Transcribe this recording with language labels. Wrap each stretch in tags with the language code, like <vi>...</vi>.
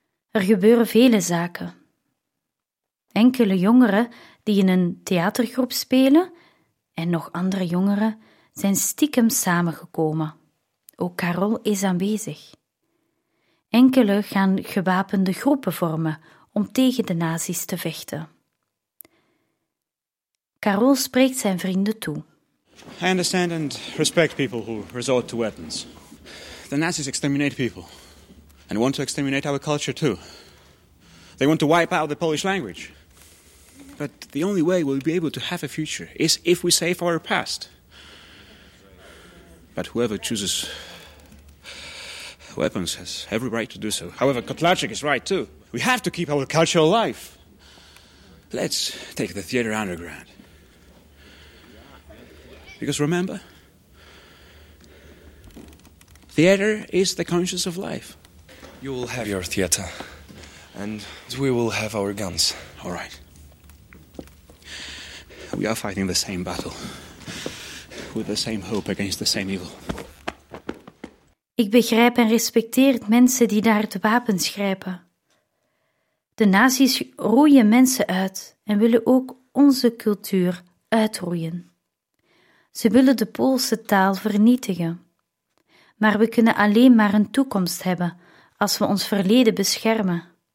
<nl>Er gebeuren vele zaken. Enkele jongeren die in een theatergroep spelen en nog andere jongeren zijn stiekem samengekomen. Ook Carol is aanwezig. Enkele gaan gewapende groepen vormen om tegen de nazi's te vechten. Carol spreekt zijn vrienden toe.</nl> <en>I understand and respect people who resort to weapons. The Nazis exterminate people and want to exterminate our culture too. They want to wipe out the Polish language. But the only way we'll be able to have a future is if we save our past. But whoever chooses weapons has every right to do so. However, Kotlarczyk is right too. We have to keep our culture alive. Let's take the theater underground. Because remember, theater is the conscience of life. You will have your theater, and we will have our guns. All right. We are fighting the same battle, with the same hope against the same evil.</en> <nl>Ik begrijp en respecteer mensen die naar de wapens grijpen. De nazi's roeien mensen uit en willen ook onze cultuur uitroeien. Ze willen de Poolse taal vernietigen. Maar we kunnen alleen maar een toekomst hebben als we ons verleden beschermen.</nl>